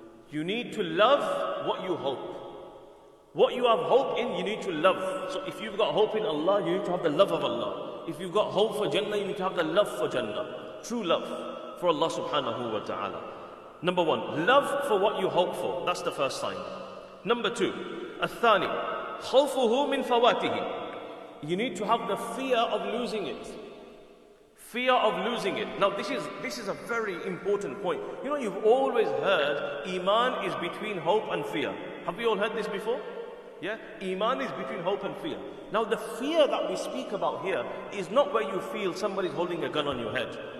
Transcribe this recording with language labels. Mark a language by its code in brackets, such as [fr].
[en] You need to love what you hope. What you have hope in, you need to love. So if you've got hope in Allah, you need to have the love of Allah. If you've got hope for Jannah, you need to have the love for Jannah. True love for Allah subhanahu wa ta'ala. Number one, love for what you hope for. That's the first sign. Number two, [ar] الثاني, خوفه من فواته. [en] You need to have the fear of losing it. Fear of losing it. Now this is a very important point. You know, you've always heard Iman is between hope and fear. Have you all heard this before? Yeah? Iman is between hope and fear. Now the fear that we speak about here is not where you feel somebody's holding a gun on your head.